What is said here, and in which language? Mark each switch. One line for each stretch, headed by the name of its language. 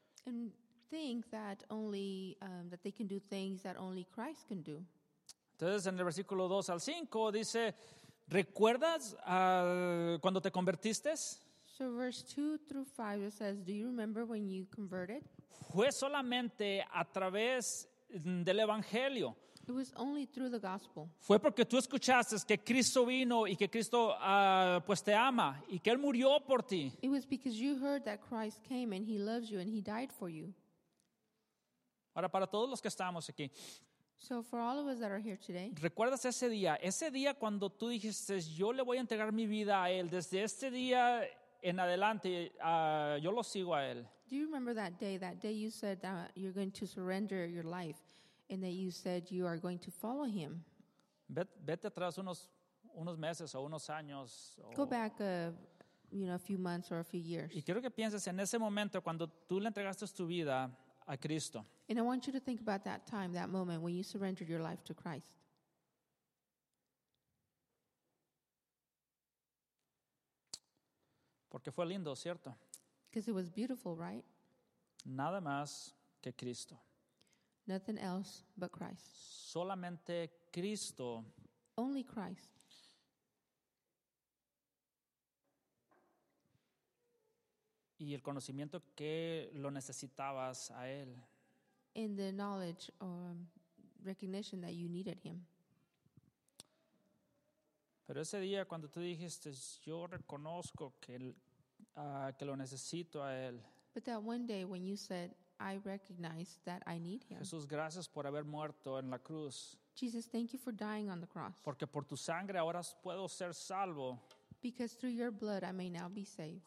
English: And think that only that they can do things that only Christ can do.
Spanish: Entonces en el versículo 2 al 5 dice, ¿recuerdas cuando te convertiste?
English: So verse 2 through 5 it says, do you remember when you converted?
Spanish: Fue solamente a través del evangelio.
English: It was only through the gospel.
Spanish: Fue porque tú escuchaste que Cristo vino y que Cristo pues te ama y que él murió por ti.
English: It was because you heard that Christ came and he loves you and he died for you.
Spanish: Ahora, para todos los que estamos aquí,
English: So for all of us that are here today,
Spanish: ¿recuerdas ese día cuando tú dijiste, yo le voy a entregar mi vida a Él, desde este día en adelante, yo lo sigo a Él?
English: Do you remember that day you said that you're going to surrender your life and that you said you are going to follow Him?
Spanish: Vete atrás unos meses o unos años.
English: Go back a few months or a few years.
Spanish: Y quiero que pienses en ese momento cuando tú le entregaste tu vida a Cristo.
English: And I want you to think about that time, that moment when you surrendered your life to Christ.
Spanish: Porque fue lindo, ¿cierto?
English: Because it was beautiful, right?
Spanish: Nada más que Cristo.
English: Nothing else but Christ.
Spanish: Solamente Cristo.
English: Only Christ.
Spanish: Y el conocimiento que lo necesitabas a Él.
English: In the knowledge or recognition that you needed Him.
Spanish: Pero ese día cuando tú dijiste, yo reconozco que lo necesito a Él.
English: But that one day when you said, I recognize that I need Him.
Spanish: Jesús, gracias por haber muerto en la cruz.
English: Jesus, thank you for dying on the cross.
Spanish: Porque por tu sangre ahora puedo ser salvo.
English: Because through your blood I may now be saved.